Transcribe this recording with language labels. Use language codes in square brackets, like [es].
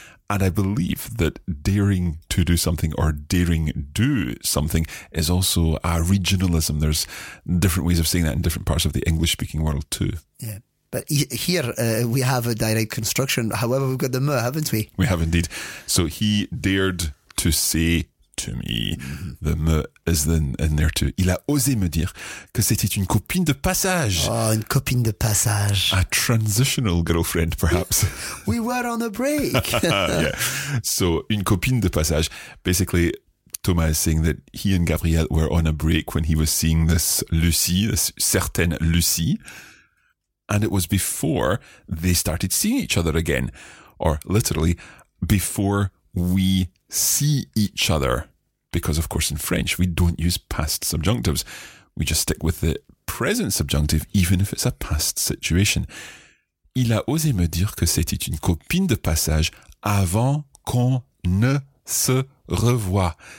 [en] And I believe that daring to do something or daring do something is also a regionalism. There's different ways of saying that in different parts of the English-speaking world too. Yeah, but here we have a direct construction. However, we've got the me, haven't we? We have indeed. So he dared to say to me, the me is then in there too. [fr] Il a osé me dire que c'était une copine de passage. Oh, une copine de passage. [en] A transitional girlfriend, perhaps. We were on a break. [fr] Yeah. So, une copine de passage. [en] Basically, Thomas is saying that he and Gabrielle were on a break when he was seeing this Lucie, this certaine Lucie. And it was before they started seeing each other again. Or literally, before we see each other, because of course in French we don't use past subjunctives. We just stick with the present subjunctive, even if it's a past situation. [fr] Il a osé me dire que c'était une copine de passage avant qu'on ne se revoie.